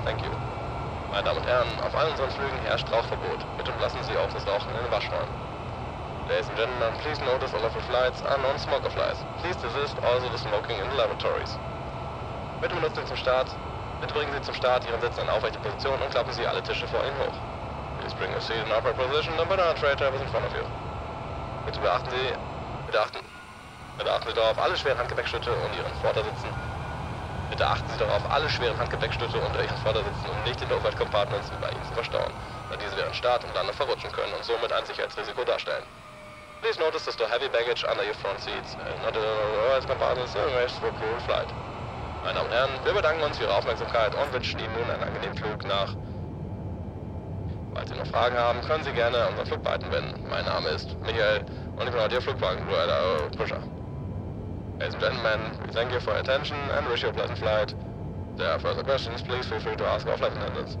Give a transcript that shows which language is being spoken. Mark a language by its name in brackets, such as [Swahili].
[English] Thank you. [German] Meine Damen und Herren, auf allen unseren Flügen herrscht Rauchverbot. Bitte lassen Sie auch das Rauchen in den Waschräumen. [English] Ladies and gentlemen, please notice all of your flights are non-smoker flights. Please desist also the smoking in the laboratories. [German] Bitte benutzen Sie zum Start. Bitte bringen Sie zum Start Ihren Sitz in aufrechte Position und klappen Sie alle Tische vor Ihnen hoch. [English] Please bring your seat in upright position and banana tray tables in front of you. [German] Bitte beachten Sie... Bitte achten Sie darauf, alle schweren Handgepäckstücke unter Ihren Vordersitzen. Bitte achten Sie darauf, alle schweren Handgepäckstücke unter Ihren Vordersitzen und nicht in der Umweltcompartments über Ihnen zu verstauen, da diese während Start und Landung verrutschen können und somit ein Sicherheitsrisiko darstellen. [English] Please notice that the heavy baggage under your front seats not in the Umweltcompartments arranged for cool flight. [German] Meine Damen und Herren, wir bedanken uns für Ihre Aufmerksamkeit und wünschen Ihnen nun einen angenehmen Flug nach. Falls Sie noch Fragen haben, können Sie gerne unseren Flugbeamten wenden. Mein Name ist Michael und ich bin heute Ihr Flugwagen-Pusher. [English] Ladies and gentlemen, we thank you for your attention and wish you a pleasant flight. If there are further questions, please feel free to ask our flight attendants.